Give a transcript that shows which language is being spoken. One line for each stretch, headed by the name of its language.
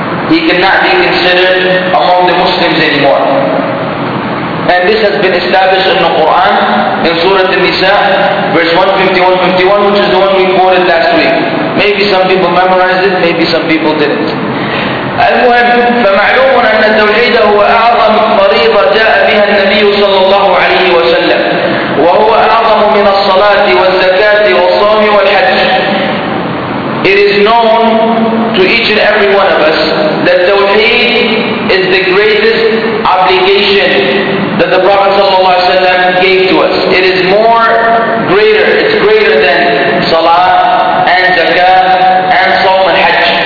English: He cannot be considered among the Muslims anymore. And this has been established in the Quran, in Surah An-Nisa, verse 151-51, which is the one we quoted last week. Maybe some people memorized it, maybe some people didn't.
Arabic: المهم فمعلوم أن التوحيد هو أعظم فريضة جاء بها النبي صلى الله عليه وسلم وهو أعظم من الصلاة والزكاة والصوم والحج.
English: It is known to each and every one of us that tawheed is the greatest obligation that the Prophet صلى الله عليه وسلم gave to us. It is more greater, it's greater than salah and zakah and saum and hajj.